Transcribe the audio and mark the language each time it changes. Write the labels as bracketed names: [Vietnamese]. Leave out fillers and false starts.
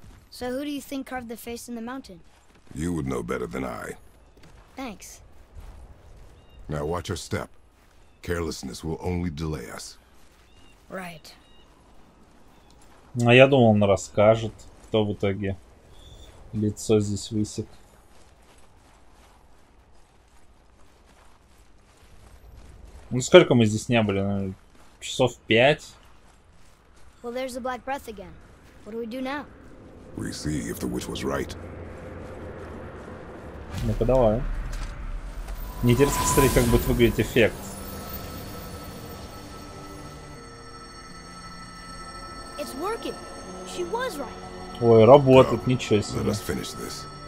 [English] So who do you think carved the face in the mountain? You would know better than I. Thanks. Now watch your step. Carelessness will only delay us. Right. [Russian] А я думал, он расскажет, кто в итоге лицо здесь высек. Ну сколько мы здесь не были? Часов 5? [English] Well, there's the black breath again. What do we do now? We see if the witch was right. [Russian] Ну-ка давай. Мне интересно посмотреть, как будет выглядеть эффект. [English] It's working. She was right. [Russian] Ой, работает, ничего себе. [English] Let us finish this.